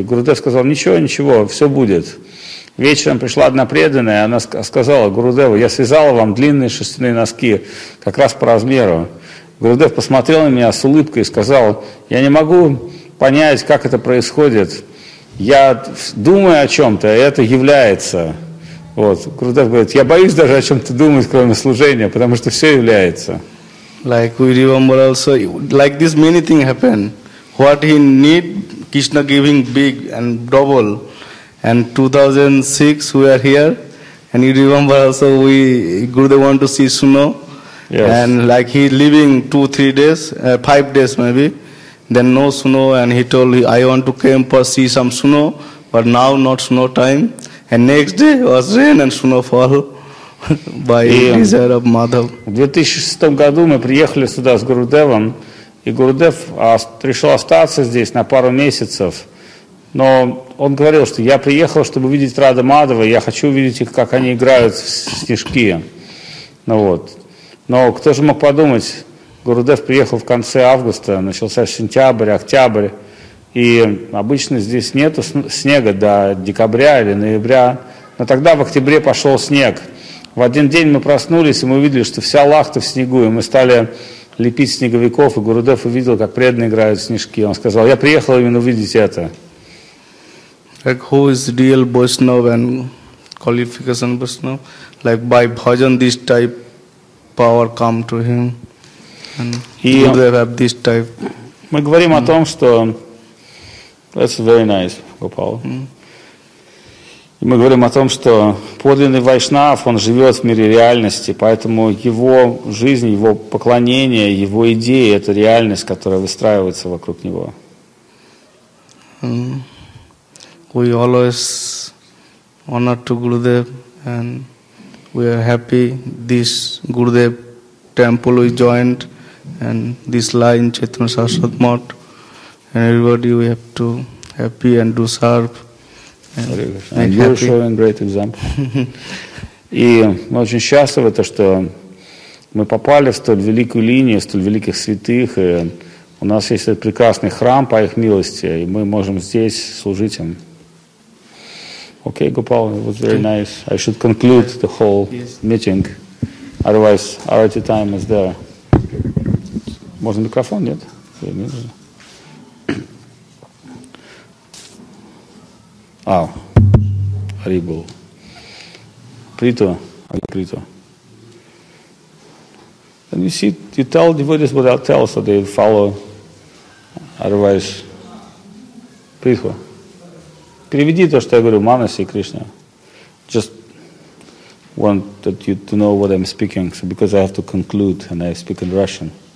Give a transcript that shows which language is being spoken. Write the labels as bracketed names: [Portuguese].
[Russian] Гурудев сказал, ничего, ничего, все будет. Вечером пришла одна преданная, она сказала Гурудеву, я связала вам длинные шерстяные носки как раз по размеру. Гурудев посмотрел на меня с улыбкой и сказал, я не могу понять, как это происходит. Я думаю о чем-то, и это является. Вот. Гурудев говорит, я боюсь даже о чем-то думать, кроме служения, потому что все является. [English] Like we remember also, like this many things happen. What he need, Krishna giving big and double. And 2006 we are here, and you remember also we, Gurudev want to see Suno. Yes. And like he leaving 2-3 days, 5 days maybe. Then no Suno, and he told me, I want to come for see some Suno, but now not Suno time. And next day was rain and Suno fall by desire of Madhav. [Russian] В 2006 году мы приехали сюда с Гурудевом, и Гурудев решил остаться здесь на пару месяцев. Но он говорил, что я приехал, чтобы видеть Рада Мадхава, я хочу увидеть их, как они играют в снежки. Ну вот. Но кто же мог подумать, Гурудев приехал в конце августа, начался сентябрь, октябрь, и обычно здесь нет снега до декабря или ноября, но тогда в октябре пошел снег. В один день мы проснулись, и мы увидели, что вся Лахта в снегу, и мы стали лепить снеговиков, и Гурудев увидел, как преданные играют в снежки. Он сказал, я приехал именно увидеть это. [English] Like who is real Vaishnav and qualification Vaishnav? Like by bhajan this type power come to him. And he will have this type. [Russian] Мы говорим о том, что [English] that's very nice, Gopal. [Russian] И мы говорим о том, что подлинный вайшнав, он живет в мире реальности, поэтому его жизнь, его поклонение, его идеи – это реальность, которая выстраивается вокруг него. [English] We always honor to Gurudev, and we are happy this Gurudev temple we joined, and this line Chaitanya Saraswat Mat, and everybody we have to happy and do serve. And you're showing great example. [Russian] И мы очень счастливы, то, что мы попали в столь великую линию, столь великих святых, и у нас есть этот прекрасный храм по их милости, и мы можем здесь служить им. [English] Okay, Gopal, it was very nice. I should conclude the whole meeting. Otherwise, our time is there. [Russian] Можно микрофон, нет? Ау, Ари был. Прито, Ари Прито. [English] And you see, you tell devotees what I tell, so they follow. Otherwise, Прито. [Russian] Переведи то, что я говорю, Манаси и Кришна. [English] Just wanted you to know what I'm speaking, so because I have to conclude and I speak in Russian.